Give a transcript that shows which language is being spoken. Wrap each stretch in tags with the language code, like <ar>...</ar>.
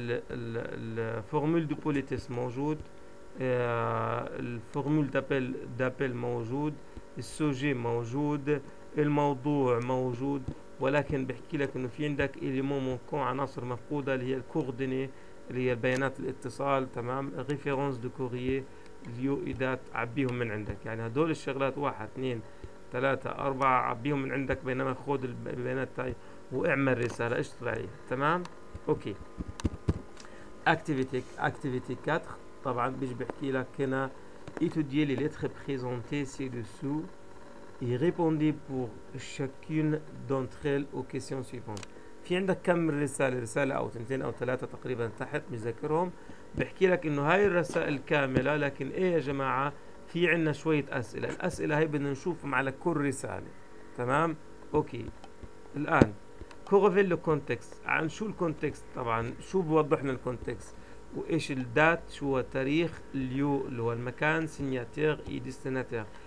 <ar>الفورمول دو بوليتيس موجود، الفورمول دابل موجود، السوجي موجود، الموضوع موجود، ولكن بحكي لك انه في عندك اليمون مونكون، عناصر مفقوده اللي هي الكوردوني اللي هي بيانات الاتصال، تمام؟ ريفيرونس دو كوريي، اليو ايدات، عبيهم من عندك، يعني هدول الشغلات 1 2 3 4 عبيهم من عندك، بينما خذ البيانات تاعي واعمل رساله اشتغل عليها، تمام؟ اوكي. اكتيفيتي 4 طبعا بيجي بحكي لك هنا</ar> <fr>étudier les lettres présentées ci-dessous et répondez pour chacune d'entre elles aux questions suivantes.</fr> <ar>في عندك كم رساله، رساله او اثنتين او ثلاثه تقريبا تحت مذاكرهم، بحكي لك انه هاي الرسائل كامله، لكن ايه يا جماعه في عنا شوية أسئلة، الأسئلة هي بدنا نشوفهم على كل رسالة، تمام؟ أوكي. الآن كوغافيلو كونتكست، عن شو الكونتكست طبعاً؟ شو بوضحنا الكونتكست؟ وإيش الدات؟ شو هو تاريخ؟ اليو اللي هو المكان، سينياتير إي ديستيناتير.</ar>